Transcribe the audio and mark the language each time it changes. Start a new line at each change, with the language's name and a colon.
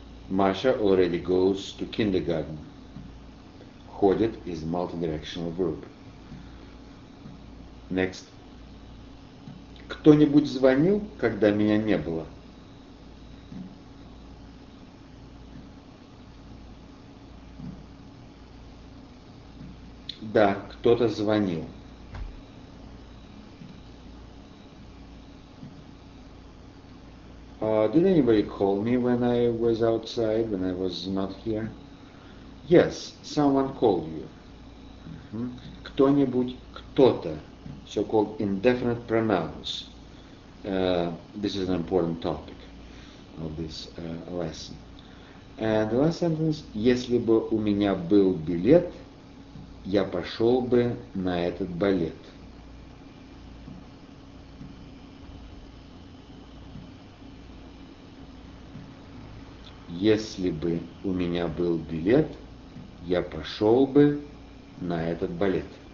English: Маша already goes to kindergarten. Ходит is multidirectional verb. Next.
Russian: Кто-нибудь звонил, когда меня не было? Да, кто-то звонил.
English: Did anybody call me when I was outside, when I was not here? Yes, someone called you. Mm-hmm.
Russian: Кто-нибудь, кто-то.
English: So-called indefinite pronouns. This is an important topic of this lesson. And the last sentence.
Russian: Если бы у меня был билет, я пошел бы на этот балет. Если бы у меня был билет, я пошел бы на этот балет.